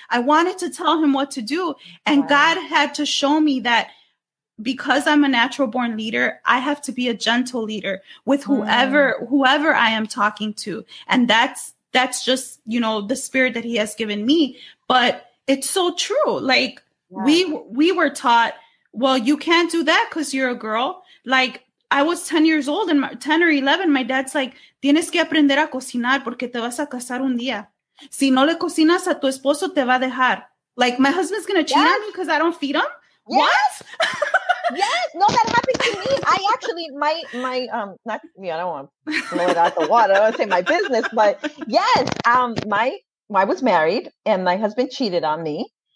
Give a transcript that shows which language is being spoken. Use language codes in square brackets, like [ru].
[en] I wanted to tell him what to do. And God had to show me that because I'm a natural born leader, I have to be a gentle leader with whoever I am talking to. And that's just, you know, the spirit that he has given me. But it's so true. Like, we were taught, well, you can't do that because you're a girl. Like, I was 10 years old and 10 or 11. My dad's like, [es] tienes que aprender a cocinar porque te vas a casar un día. Si no le cocinas a tu esposo, te va a dejar. [en] Like, my husband's going to cheat on me because I don't feed him? Yes. What? Yes. No, that happened to me. I actually, I don't want to blow it out the water. I don't want to say my business, but yes, I was married and my husband cheated on me.